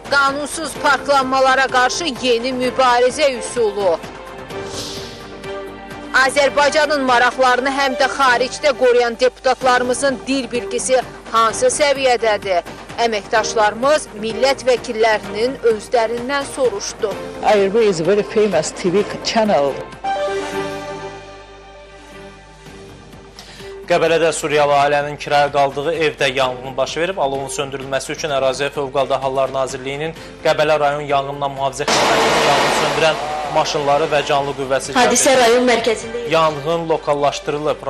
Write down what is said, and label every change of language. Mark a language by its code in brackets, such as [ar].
[az] Qanunsuz parklanmalara qarşı yeni mübarizə üsulu. Azərbaycanın maraqlarını həm də xaricdə qoruyan deputatlarımızın dil bilgisi hansı səviyyədədir? Əməkdaşlarımız millət vəkillərinin özlərindən soruşdu. [en] Airway is a very famous TV channel. [az] Qəbələdə Suriyalı ailənin kirayə qaldığı evdə yanğın baş verib, alovun söndürülməsi üçün Əraziyyə Fövqəldə Hallar Nazirliyinin Qəbələ rayon yanğınla mühafizə xidmətinin yanğın söndürən maşınları və canlı qüvvəsi gəlir. Hadisə rayon mərkəzində yerləşir. Yanğın lokallaşdırılıb.